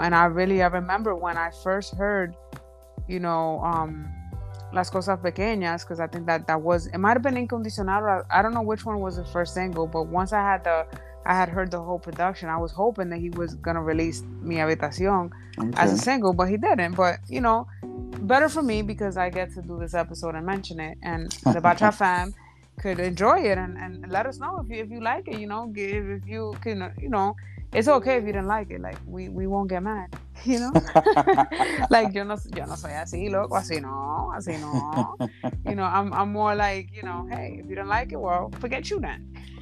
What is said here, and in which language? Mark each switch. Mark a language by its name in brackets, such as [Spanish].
[English] And I remember when I first heard, you know, Las Cosas Pequeñas, because I think that was, it might have been Incondicional, I don't know which one was the first single, but once I had heard the whole production, I was hoping that he was gonna release Mi Habitación as a single, but he didn't. But, you know, better for me because I get to do this episode and mention it, and the Bacha fam could enjoy it and let us know if you like it, you know. If you can, you know, it's okay if you didn't like it. Like, we won't get mad. you know? Like, [Spanish] yo no soy así, loco, así no. [English] You know, I'm more like, you know, hey, if you don't like it, well, forget you then.